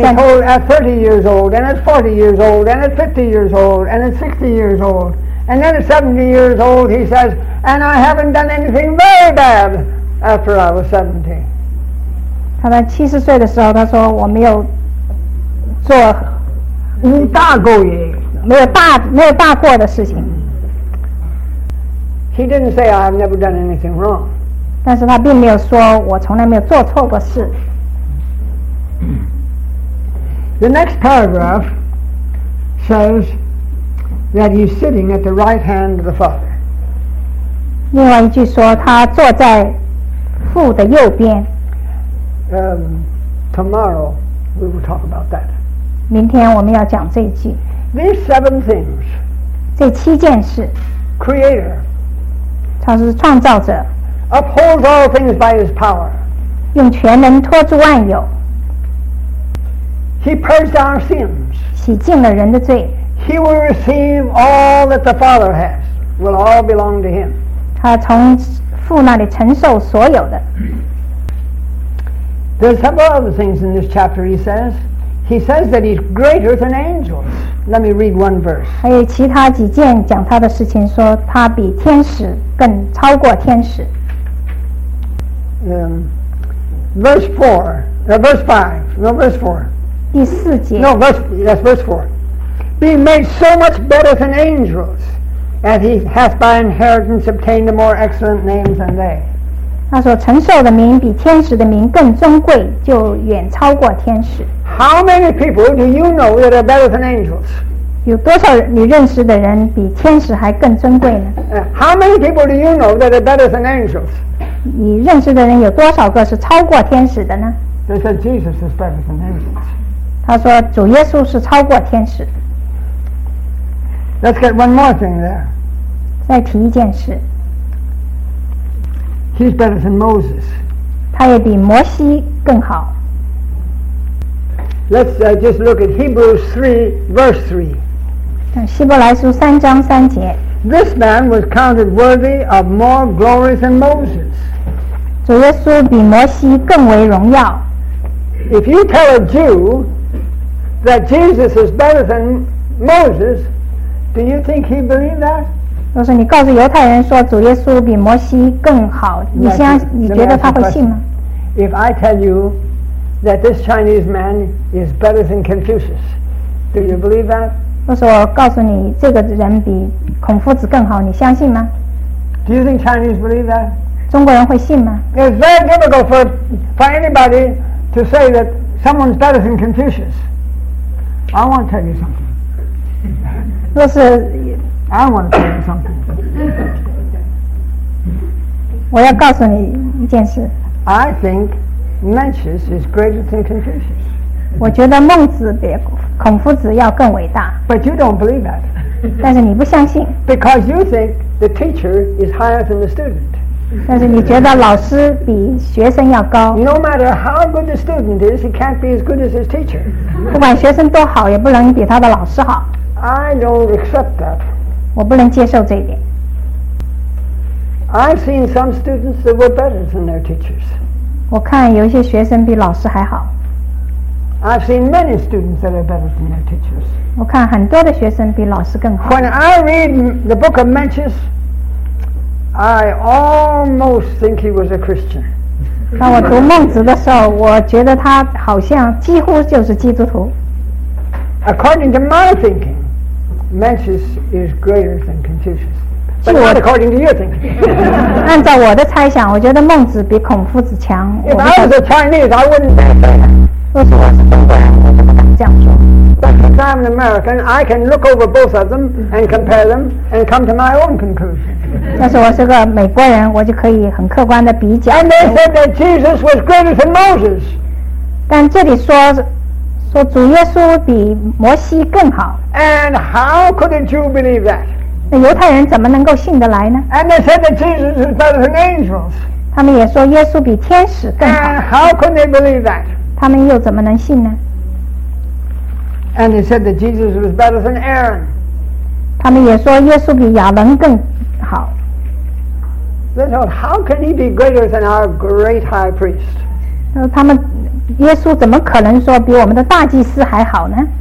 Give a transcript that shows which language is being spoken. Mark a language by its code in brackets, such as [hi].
[en] And he told at 30 years old, and at 40 years old, and at 50 years old, and at 60 years old, and then at 70 years old, he says, and I haven't done anything very bad. After I was 17, [zh] 他在七十岁的时候，他说我没有做大过也，没有大过的事情。 [en] He didn't say I've never done anything wrong. [zh] 但是他并没有说我从来没有做错过事。 [en] The next paragraph says that he's sitting at the right hand of the Father. [zh] 另外一句说他坐在。 [en] Tomorrow we will talk about that. [zh] 明天我们要讲这一句。 [en] These seven things. [zh] 这七件事。 [en] Creator. [zh] 他是创造者。 [en] Upholds all things by his power. [zh] 用全能托住万有。 [en] He purged our sins. [zh] 洗净了人的罪。 [en] He will receive all that the Father has. Will all belong to him. [zh] 他从父那里承受所有的。 [en] There's several other things in this chapter he says. He says that he's greater than angels. Let me read one verse. [zh] 还有其他几件讲他的事情，说他比天使更超过天使。 [en] verse 4. Being made so much better than angels, and he hath by inheritance obtained a more excellent name than they. [zh] 他说承受的名比天使的名更尊贵，就远超过天使。 [en] How many people do you know that are better than angels? [zh] 有多少你认识的人比天使还更尊贵呢？ [en] How many people do you know that are better than angels? [zh] 你认识的人有多少个是超过天使的呢？ [en] They said Jesus is better than angels. [zh] 他说主耶稣是超过天使。 [en] Let's get one more thing there. [zh] 再提一件事。 [en] He's better than Moses. [zh] 他也比摩西更好。 [en] Let's just look at Hebrews 3, verse 3. [zh] 希伯来书三章三节。 [en] This man was counted worthy of more glory than Moses. [zh] 主耶稣比摩西更为荣耀。 [en] If you tell a Jew that Jesus is better than Moses, do you think he believed that? [zh] 就是你告诉犹太人说主耶稣比摩西更好，你先你觉得他会信吗？ [en] If I tell you that this Chinese man is better than Confucius, do you believe that? [zh] 就是我告诉你这个人比孔夫子更好，你相信吗？ [en] Do you think Chinese believe that? [zh] 中国人会信吗？ [en] It's very difficult for anybody to say that someone's better than Confucius. I want to tell you something. [zh] 就是 [en] I want to tell you something. [zh] 我要告诉你一件事。 [en] I think Mencius is greater than Confucius. [zh] 我觉得孟子比孔夫子要更伟大。 [en] But you don't believe that. [zh] 但是你不相信。 [en] Because you think the teacher is higher than the student. [zh] 但是你觉得老师比学生要高。 [en] No matter how good the student is, he can't be as good as his teacher. [zh] 不管学生多好，也不能比他的老师好。 [en] I don't accept that. [zh] 我不能接受这一点。 [en] I've seen some students that were better than their teachers. [zh] 我看有一些学生比老师还好。 [en] I've seen many students that are better than their teachers. [zh] 我看很多的学生比老师更好。 [en] When I read the book of Mencius, I almost think he was a Christian. [zh] 当我读孟子的时候，我觉得他好像几乎就是基督徒。 [en] According to my thinking. Mencius is greater than Confucius, but not according to your thinking. [zh] 按照我的猜想，我觉得孟子比孔夫子强。 [en] If I was a Chinese, I wouldn't say that. [zh] 若是我是中国人，我怎么敢这样说？ [en] But if I'm an American, I can look over both of them and compare them and come to my own conclusion. [zh] 若是我是个美国人，我就可以很客观的比较。 [en] And they said that Jesus was greater than Moses. [zh] 但这里说。说主耶稣比摩西更好。 [en] And how could a Jew believe that? [zh] 那犹太人怎么能够信得来呢？ [en] And they said that Jesus is better than angels. [zh] 他们也说耶稣比天使更好。 [en] And how could they believe that? [zh] 他们又怎么能信呢？ [en] And they said that Jesus was better than Aaron. [zh] 他们也说耶稣比亚伦更好。 [en] They said, how could he be greater than our great high priest? [zh] 他们耶稣怎么可能说比我们的大祭司还好呢？